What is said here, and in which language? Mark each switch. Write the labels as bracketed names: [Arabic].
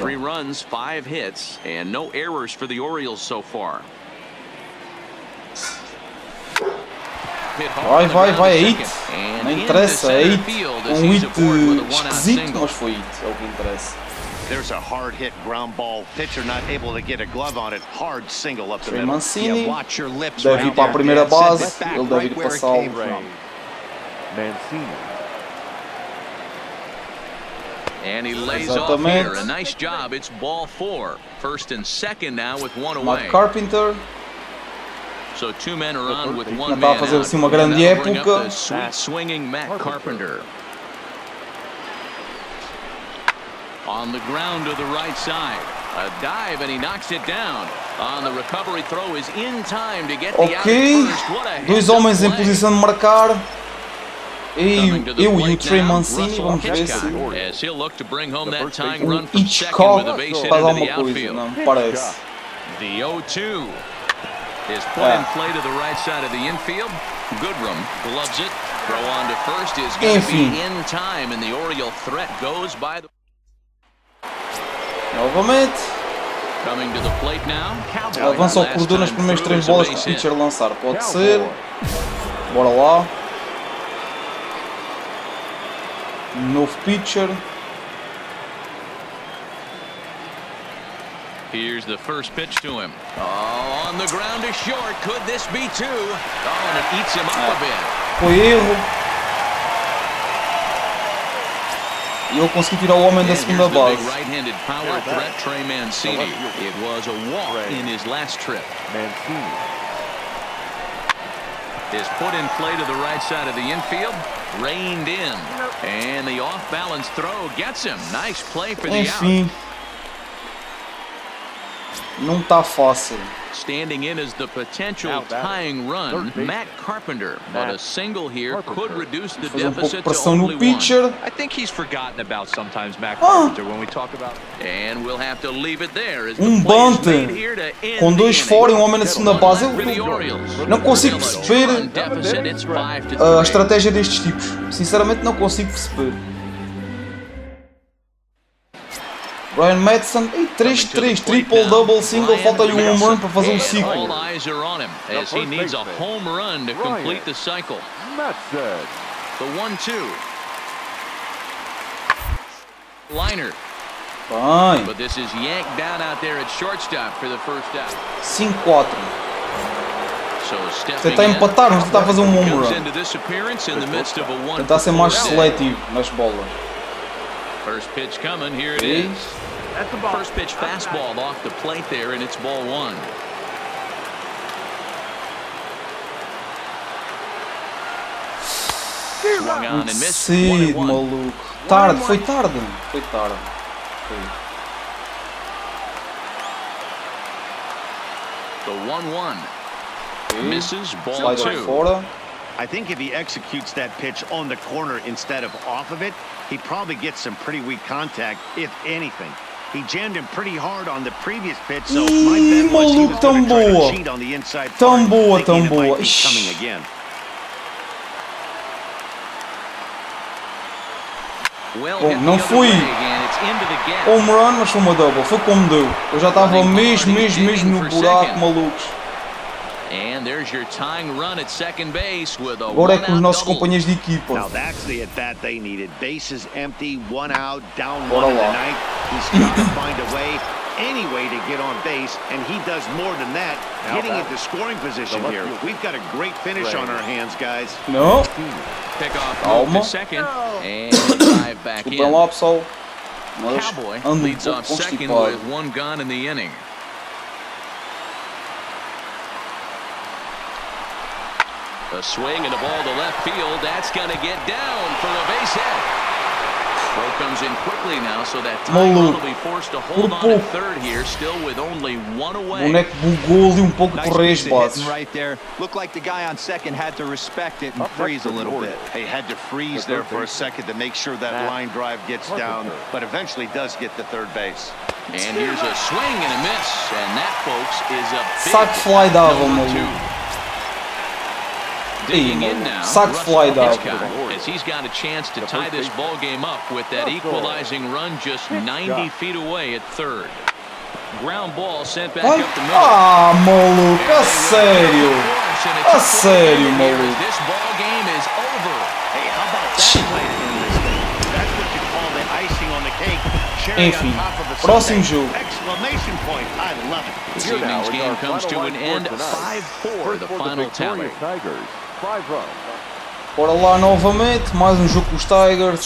[English] 3 runs, 5 hits, and no errors for the Orioles so far. [Portuguese] Vai, vai, vai, é hit. Não interessa, é hit. Um hit esquisito, mas foi hit. É o que interessa. [English] There's a hard hit ground ball. Pitcher not able to get a glove on it. Hard single up the middle. Watch your lips. [Portuguese] Deve ir para a primeira base, ele deve ir para salvo. [English] Mancini. And he lays off here. A nice job. It's ball four. First and second now with one away. Matt Carpenter. So two men are on with one [Portuguese] man. Tá a fazer assim uma grande época. [English] Swinging Matt Carpenter. on the ground to the right side. A dive and he knocks it down. On the recovery throw is in time to get the okay. out. [Portuguese] Okay. Dois homens em posição de marcar. Eu e o Trey Mancini, vamos ver se [English] he'll look to bring home that tying run from second with a base hit into the outfield. [Portuguese] Não, parece. [English] The 0-2 is put in play to the right side of the infield. Goodrum gloves it. Throw on to first is going to be in time, and the Oriole threat goes by the. [Portuguese] Novamente. [English] Coming to the plate now. [Portuguese] Avança o cordão nas primeiras três bolas que o pitcher lançar. Pode ser. Bora lá. Novo pitcher. [English] Here's the first pitch to him. Oh, on the ground is short. Could this be two? Oh, and it eats him up a bit. [Portuguese] Foi erro. E eu consegui tirar o homem da segunda base. [English] Right-handed power threat, Trey Mancini. It was a walk in his last trip. Mancini is put in play to the right side of the infield. Reined in. And the off-balance throw gets him. Nice play for the out. [Portuguese] Não tá fácil. [English] Standing in is the potential tying run, Matt Carpenter. But a single here could reduce the deficit to only one. I think he's forgotten about sometimes Matt Carpenter when we talk about. And we'll have to leave it there. [Portuguese] Bunter com dois fora e um homem na segunda base. Não consigo perceber a estratégia destes tipos. Sinceramente, não consigo perceber. Ryan Madsen, 3-3, triple, double, single, falta-lhe um home run para fazer um ciclo. [English] All eyes are on him as he needs a home run to complete the cycle. Madsen. The 1-2. Liner. Fine. But this is yanked down out there at shortstop for the first out. 5-4. [Portuguese] Você está a empatar, mas você está a fazer um home run. Tentar ser mais seletivo nas bolas. [English] First pitch coming, here it is. At the ball. First pitch fastball off the plate there, and it's ball one. Swung on and missed. One and one. [Portuguese] Tarde, foi tarde. Foi tarde. [English] The 1-1. Misses ball two. [Portuguese] Fora. [English] I think if he executes that pitch on the corner instead of off of it, he probably gets some pretty weak contact, if anything. He jammed him pretty hard on the previous pitch, so my bet was he was going to try to cheat on the inside part, thinking it might be coming again. [Portuguese] Bom, não fui home run, mas foi uma double. Foi como deu. Eu já estava mesmo no buraco, malucos. [English] And there's your tying run at second base with a [Portuguese] agora é com os nossos companheiros de equipa. [English] Now that's the at bat they needed. Bases empty, one out, down one in the ninth. He's got to find a way, any way to get on base, and he does more than that, getting into scoring position here. We've got a great finish on our hands, guys. No. Pick off to second and dive back in. Desculpa lá, pessoal. Mas ando leads off second with one gun in the inning. A swing and a ball to left field. That's going to get down for a base hit. Throw comes in quickly now, so that time will be forced to hold on at third here, still with only one away. [Portuguese] O boneco bugou ali pouco por aí, boss. [English] Right there. Looked like the guy on second had to respect it and freeze a little bit. He had to freeze there for a second to make sure that line drive gets down, but eventually does get the third base. And here's a swing and a miss, and that, folks, is a big sack fly double, Malu. Sucks fly down. He's got a chance to tie this ball game up with that equalizing run just 90 feet away at third. Ground ball sent back up the middle. [Portuguese] Ah, maluco, a sério. A sério, maluco. [English] This ball game is over. Hey, how about that play to end this thing? That's what you call the icing on the cake. [Portuguese] Enfim, próximo jogo. [English] Exclamation point. I love it. This evening's game comes to an end 5-4, the final tally. [Portuguese] Bora lá novamente, mais jogo com os Tigers.